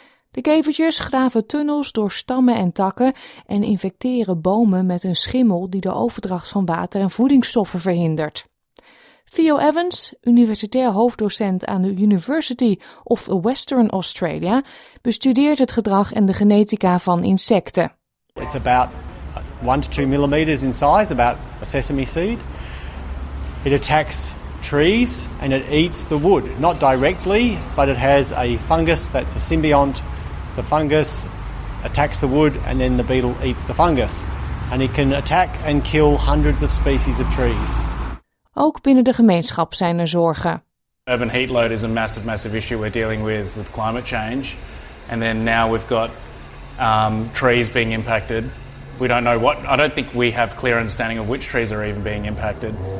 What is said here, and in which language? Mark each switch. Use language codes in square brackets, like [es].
[nl] De kevertjes graven tunnels door stammen en takken en infecteren bomen met een schimmel die de overdracht van water en voedingsstoffen verhindert. Theo Evans, universitair hoofddocent aan de University of Western Australia, bestudeert het gedrag en de genetica van insecten. [en] It's about 1 to 2 millimeters in size, about a sesame seed. It attacks trees and it eats the wood, not directly, but it has a fungus that's a symbiont. The fungus attacks the wood and then the beetle eats the fungus. And it can attack and kill hundreds of species of trees. [nl] Ook binnen de gemeenschap zijn er zorgen. [en] Urban heat load is a massive, massive issue we're dealing with climate change. And then now we've got trees being impacted. We don't know what, I don't think we have clear understanding of which trees are even being impacted.